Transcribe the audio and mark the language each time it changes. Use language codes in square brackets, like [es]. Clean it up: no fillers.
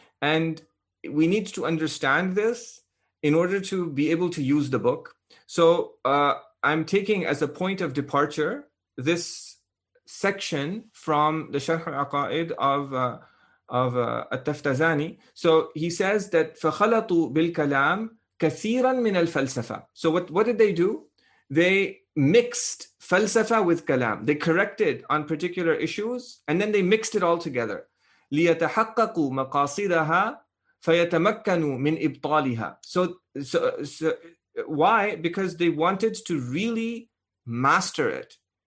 [en] And we need to understand this in order to be able to use the book. So I'm taking as a point of departure this section from the Sharh al-Aqaid of At-Taftazani. So he says that [ar] فَخَلَطُوا بِالْكَلَامِ كَثِيرًا مِنَ الْفَلْسَفَةِ. [en] So what did they do? They mixed falsafa with kalam. They corrected on particular issues and then they mixed it all together. [ar] لِيَتَحَقَّقُوا مَقَاصِدَهَا فَيَتَمَكَّنُوا مِنْ إِبْطَالِهَا. [en] So why? Because they wanted to really master it.